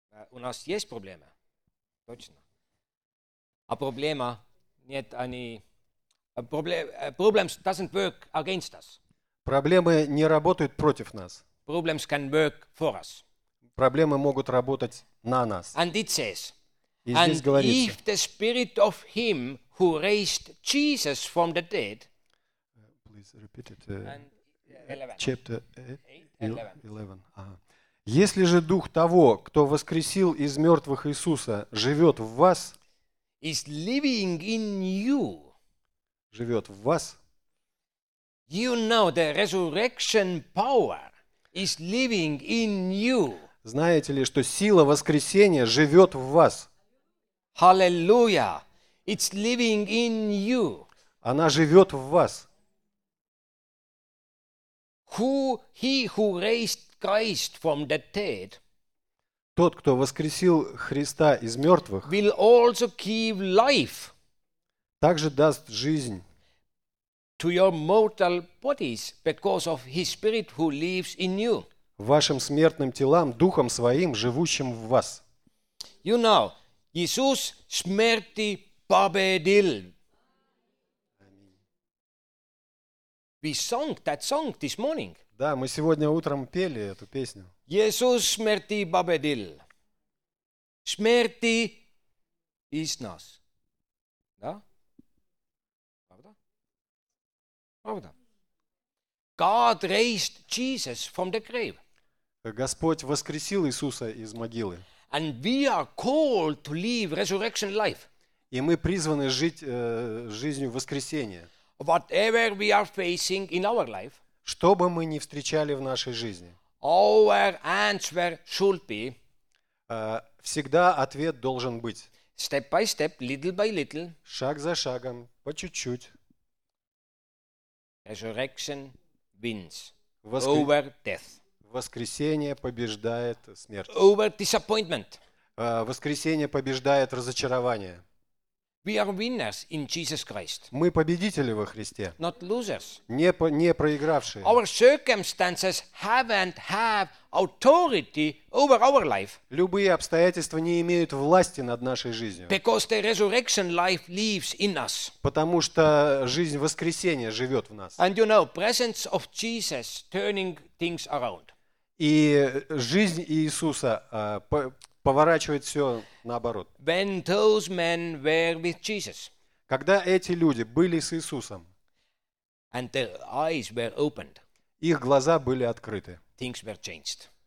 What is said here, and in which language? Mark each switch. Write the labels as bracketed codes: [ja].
[ru] У нас есть проблемы. Точно. А проблема нет, они... [en] Problems doesn't work against us. [ru] Проблемы не работают против нас. [en] Problems can work for us. [ru] Проблемы могут работать на нас. [en] And it says, [ru] и здесь говорится, [en] if the spirit of him who raised Jesus from the dead, repeat it, 11. Chapter 11. [ru] Если же дух того, кто воскресил из мертвых Иисуса, живет в вас, [en] is living in you, [ru] живет в вас, [en] you know the resurrection power is living in you. [ru] Знаете ли, что сила воскресения живет в вас? [en] Hallelujah! It's living in you. [ru] Она живет в вас. [en] He who raised Christ from the dead, [ru] тот, кто воскресил Христа из мертвых, [en] will also give life, [ru] также даст жизнь [en] to your mortal bodies because of his spirit who lives in you, [ru] вашим смертным телам, духом своим, живущим в вас. [en] You know, [ru] Иисус смерти победил. [en] We sang that song this morning. [ru] Да, мы сегодня утром пели эту песню. Иисус смерти победил. Смерти из нас. Да? Правда? Правда. [en] God raised Jesus from the grave. [ru] Господь воскресил Иисуса из могилы. [en] And we are called to live resurrection life. [ru] И мы призваны жить жизнью воскресения. [en] Whatever we are facing in our life, [ru] что бы мы ни встречали в нашей жизни, [en] our answer should be, [ru] всегда ответ должен быть, [en] step by step, little by little, [ru] шаг за шагом, по чуть-чуть. [en] Resurrection wins over death. [ru] Воскресение побеждает смерть. [en] Over disappointment. [ru] Воскресение побеждает разочарование. [en] We are winners in Jesus Christ. [ru] Мы победители во Христе. [en] Not losers. [ru] Не проигравшие. [en] Our circumstances haven't have authority over our life. [ru] Любые обстоятельства не имеют власти над нашей жизнью. [en] Because the resurrection life lives in us. [ru] Потому что жизнь воскресения живет в нас. [en] And you know, presence of Jesus turning things around. [ru] И жизнь Иисуса поворачивает все наоборот. [en] When those men were with Jesus, [ru] когда эти люди были с Иисусом, [en] and their eyes were opened, [ru] их глаза были открыты. [en] Things were changed.